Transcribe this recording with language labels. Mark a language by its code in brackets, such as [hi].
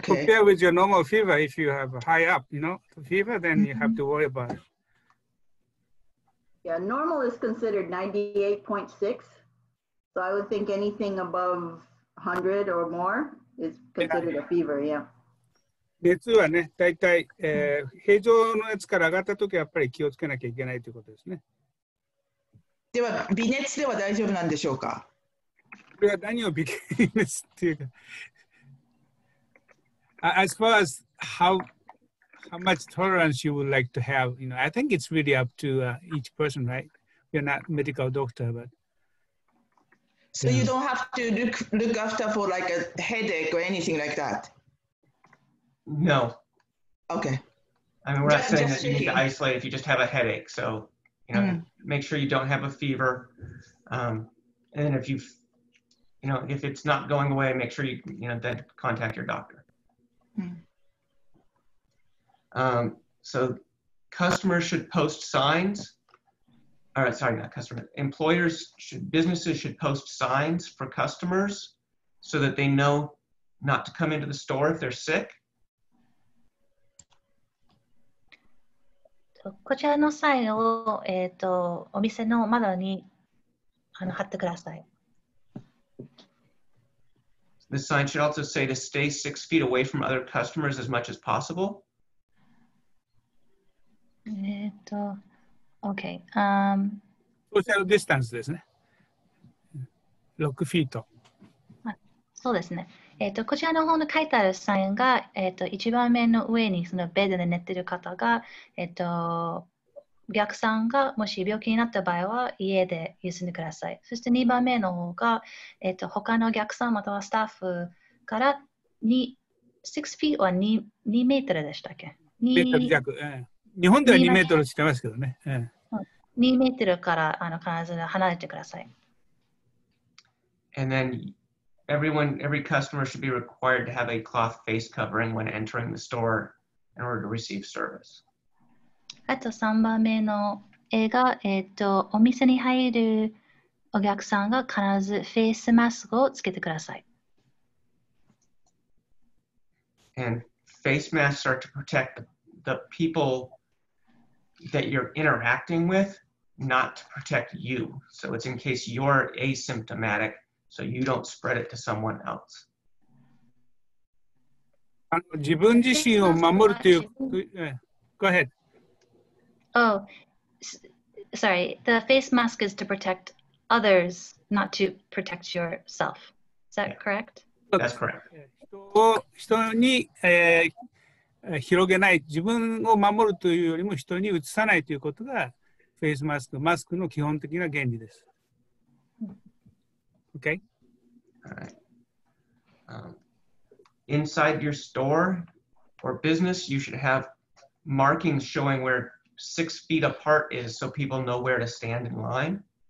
[en] Compared with your normal fever, if you have a high up, the fever, then mm-hmm. you have to worry about it. Yeah, normal is considered 98.6. So I would think anything above 100 or more is considered a fever, yeah. [ja] 熱はね、大体、平常のやつから上がったときはやっぱり気をつけなきゃいけないということですね。では、微熱では大丈夫なんでしょうか？これは何を微熱っていうか。 [en] As far as how much tolerance you would like to have, I think it's really up to each person, right? We're not medical doctor, but... So you don't have to look after for like a headache or anything like that? No. Okay. I mean, we're not saying that you need to isolate if you just have a headache. So, make sure you don't have a fever. And if you've, if it's not going away, make sure you then contact your doctor. Mm. So customers should post signs. All right, sorry, not customers. Businesses should post signs for customers so that they know not to come into the store if they're sick. [ja] こちらのサインを、お店の窓に貼ってください。 [en] The sign should also say to stay 6 feet away from other customers as much as possible. Okay. Social distance [ja] ですね。6 feet。そうですね。こちらの方の書いてあるサインが、一番目の上にそのベッドで寝ている方が、お客さんがもし病気になった場合は家で休んでください。そして2番目の方が、他のお客さんまたはスタッフから6 feet は 2メートルでしたっけ？メートル弱、日本では2メートルしてますけどね。 2メートルから必ず離れてください。 [en] And then... Every customer should be required to have a cloth face covering when entering the store in order to receive service. [ja] あと3番目の絵が、お店に入るお客さんが必ずフェイスマスクをつけてください。 [en] And face masks are to protect the people that you're interacting with, not to protect you. So it's in case you're asymptomatic. So you don't spread it to someone else. [ja] 自分自身を守るという、 [en] Go ahead. Oh, sorry. The face mask is to protect others, not to protect yourself. Is that correct? That's correct. [ja] 人に、広げない、自分を守るというよりも人にうつさないということがフェイスマスク、マスクの基本的な原理です。 [en] OK? All right.、inside your store or business, you should have markings showing where 6 feet apart is so people know where to stand in line.